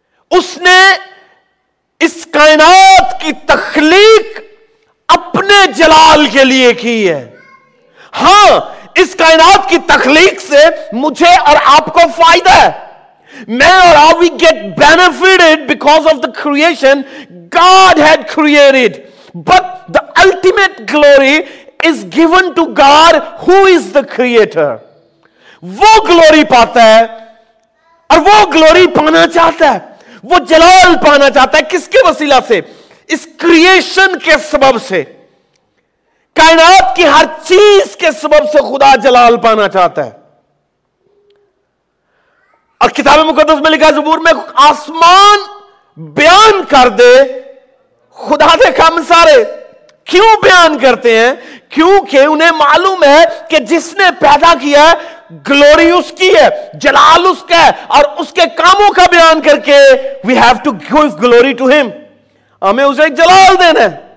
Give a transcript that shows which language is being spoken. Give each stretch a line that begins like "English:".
Urdu: اس نے اس کائنات کی تخلیق اپنے جلال کے لیے کی ہے. ہاں، اس کائنات کی تخلیق سے مجھے اور آپ کو فائدہ ہے. میں اور آپ،
English: We get benefited because of the creation God had created. But the ultimate glory is given to God who is the creator.
Urdu: وہ گلوری پاتا ہے اور وہ گلوری پانا چاہتا ہے، وہ جلال پانا چاہتا ہے. کس کے وسیلہ سے؟ اس کریشن کے سبب سے، کائنات کی ہر چیز کے سبب سے خدا جلال پانا چاہتا ہے. اور کتاب مقدس میں لکھا زبور میں،
Punjabi: آسمان بیان کر دے خدا دے کام سارے.
Urdu: کیوں بیان کرتے ہیں؟ کیونکہ انہیں معلوم ہے کہ جس نے پیدا کیا ہے گلوری اس کی ہے، جلال اس کا ہے، اور اس کے کاموں کا بیان کر کے
English: we have to give glory to ہم،
Urdu: ہمیں اسے جلال دینا ہے.